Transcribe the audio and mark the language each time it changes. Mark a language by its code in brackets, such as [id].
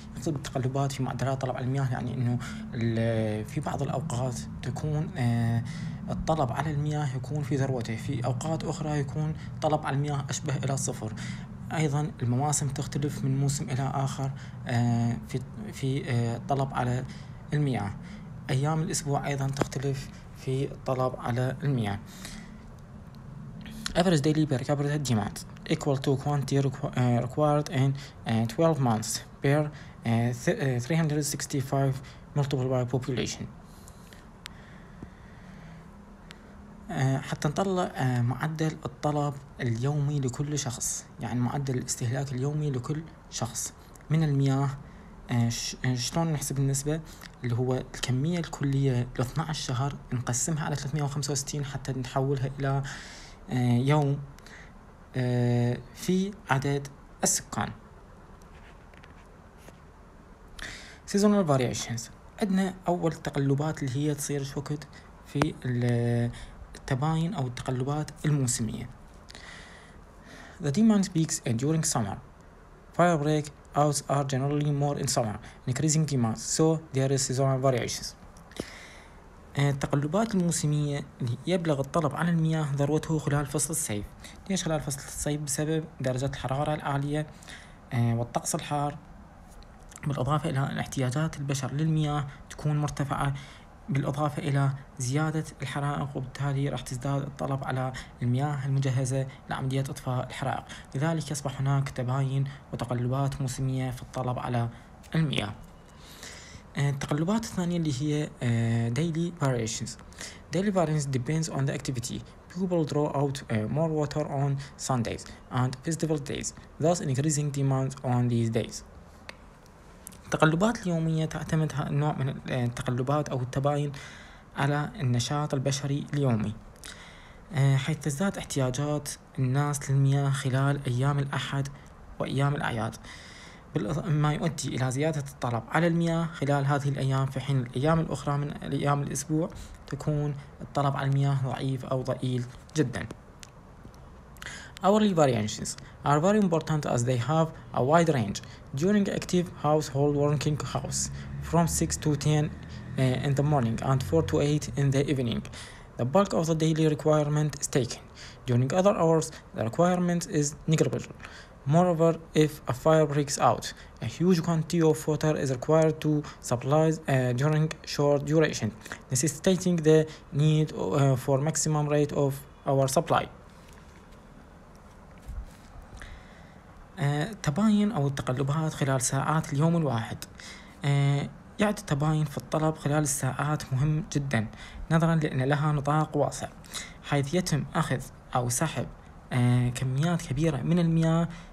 [ar] يقصد التقلبات في معدلات الطلب على المياه يعني إنه في بعض الأوقات تكون الطلب على المياه يكون في ذروته، في أوقات أخرى يكون طلب على المياه أشبه إلى الصفر. ايضا المواسم تختلف من موسم الى اخر في الطلب على المياه. ايام الاسبوع ايضا تختلف في الطلب على المياه. [en] Average daily per capita demand equal to quantity required in 12 months per 365 multiple by population. [ar] حتى نطلع معدل الطلب اليومي لكل شخص، يعني معدل الاستهلاك اليومي لكل شخص من المياه، شلون نحسب النسبة اللي هو الكمية الكلية ل 12 شهر نقسمها على 365 حتى نحولها إلى يوم في عدد السكان. [en] Seasonal variations [ar] عندنا أول تقلبات اللي هي تصير شوكت في التباين أو التقلبات الموسمية. [en] The demand peaks during summer. Fire breakouts are generally more in summer, increasing demand. So there is seasonal variations. [ar] التقلبات الموسمية يبلغ الطلب على المياه ذروته خلال فصل الصيف. ليش خلال فصل الصيف؟ بسبب درجات الحرارة العالية والطقس الحار، بالإضافة إلى احتياجات البشر للمياه تكون مرتفعة، بالإضافة إلى زيادة الحرائق، وبالتالي راح تزداد الطلب على المياه المجهزة لعمليات إطفاء الحرائق، لذلك يصبح هناك تباين وتقلبات موسمية في الطلب على المياه. التقلبات الثانية اللي هي [en] daily variations. Daily variations depends on the activity. People draw out more water on Sundays and festival days, thus increasing demand on these days. [ar] التقلبات اليومية تعتمد نوع من التقلبات أو التباين على النشاط البشري اليومي، حيث تزداد احتياجات الناس للمياه خلال أيام الأحد وأيام الأعياد، ما يؤدي إلى زيادة الطلب على المياه خلال هذه الأيام، في حين الأيام الأخرى من أيام الأسبوع تكون الطلب على المياه ضعيف أو ضئيل جدا. [en] Hourly variations are very important as they have a wide range during active household working hours from 6 to 10 in the morning and 4 to 8 in the evening. The bulk of the daily requirement is taken. During other hours, the requirement is negligible. Moreover, if a fire breaks out, a huge quantity of water is required to supply during short duration, necessitating the need for maximum rate of our supply. [ar] التباين أو التقلبات خلال ساعات اليوم الواحد. يعد التباين في الطلب خلال الساعات مهم جدا، نظرا لأن لها نطاق واسع، حيث يتم أخذ أو سحب كميات كبيرة من المياه